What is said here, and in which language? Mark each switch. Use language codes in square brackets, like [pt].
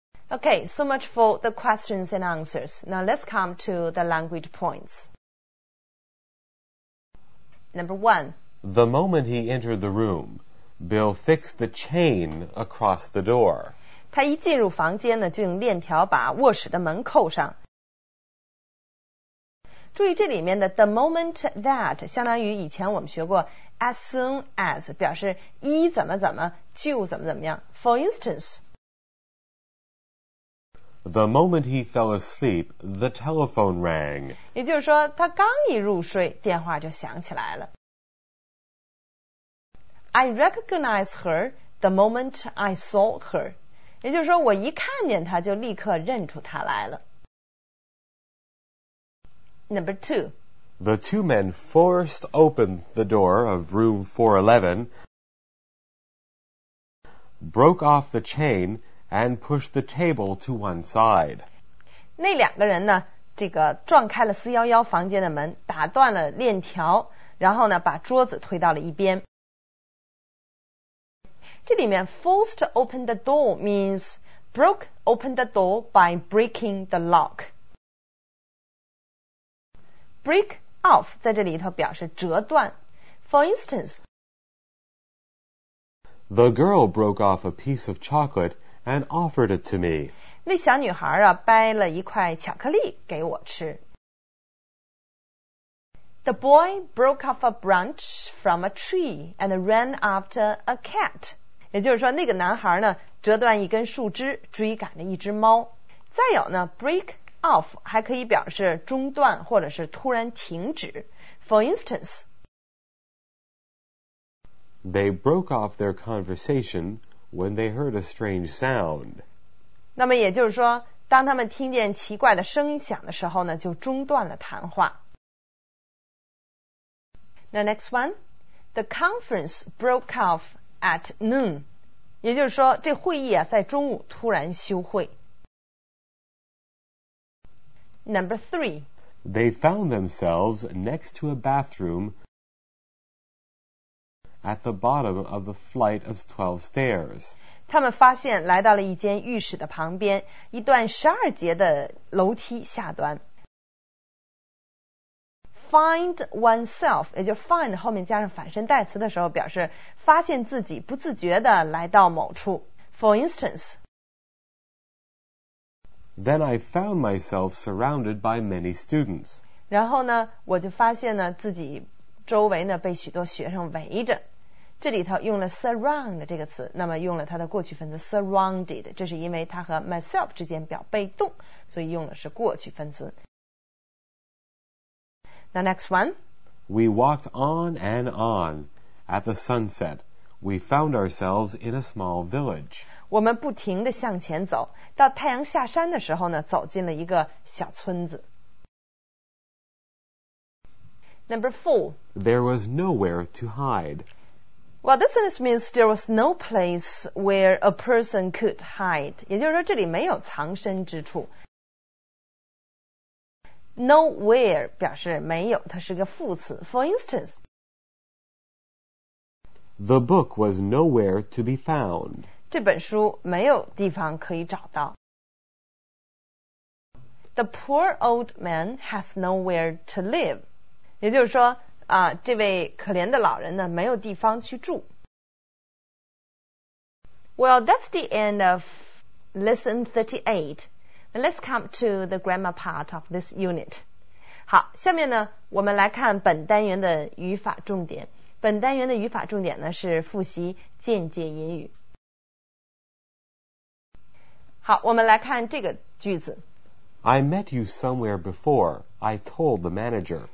[en] Okay, so much for the questions and answers. Now let's come to the language points. Number 1. The moment he entered the room, Bill fixed the chain across the door. [zh] 他一进入房间呢，就用链条把卧室的门扣上。注意这里面的 [en] the moment that [zh] 相当于以前我们学过 [en] as soon as [zh] 表示一怎么怎么就怎么怎么样。 [en] For instance, the moment he fell asleep, the telephone rang. [zh] 也就是说，他刚一入睡，电话就响起来了。 [en] I recognize her the moment I saw her. [zh] 也就是说我一看见他就立刻认出他来了。 [en] Number two. The two men forced open the door of room 411, broke off the chain, and pushed the table to one side. [zh] 那两个人呢，这个撞开了411房间的门，打断了链条，然后呢，把桌子推到了一边。这里面 [en] forced open the door means broke open the door by breaking the lock. [zh] Break off 在这里头表示折断。 [en] For instance, the girl broke off a piece of chocolate and offered it to me. [zh] 那小女孩啊，掰了一块巧克力给我吃。 [en] The boy broke off a branch from a tree and ran after a cat. [zh] 也就是说那个男孩呢折断一根树枝追赶着一只猫。再有呢 break off 还可以表示中断或者是突然停止。 [en] For instance, they broke off their conversation when they heard a strange sound. [zh] 那么也就是说当他们听见奇怪的声音响的时候呢就中断了谈话。 [en] The next one, the conference broke off. At noon, [zh] 也就是说这会议啊在中午突然休会。 [en] Number 3. They found themselves next to a bathroom at the bottom of the flight of 12 stairs. [zh] 他们发现来到了一间浴室的旁边，一段12节的楼梯下端。 [en] Find oneself, [zh] 也就是 find 后面加上反身代词的时候表示发现自己不自觉地来到某处。 [en] For instance, then I found myself surrounded by many students. [zh] 然后呢我就发现呢自己周围呢被许多学生围着。这里头用了 surround 这个词，那么用了它的过去分词 surrounded, 这是因为它和 myself 之间表被动，所以用的是过去分词。 [en] The next one. We walked on and on. At the sunset, we found ourselves in a small village. [zh] 我们不停地向前走，到太阳下山的时候呢，走进了一个小村子。 [en] Number 4. There was nowhere to hide. Well, this sentence means there was no place where a person could hide. [zh] 也就是说，这里没有藏身之处。 Nowhere 表示没有，它是个副词。 [en] For instance, the book was nowhere to be found. [zh] 这本书没有地方可以找到。 [en] The poor old man has nowhere to live. [zh] 也就是说，这位可怜的老人呢，没有地方去住。 [en] Well, that's the end of lesson 38. Let's come to the grammar part of this unit. [zh] 好，下面呢，我们来看本单元的语法重点。本单元的语法重点呢是复习间接引语。好，我们来看这个句子。 [en] I met you somewhere before. I told the manager.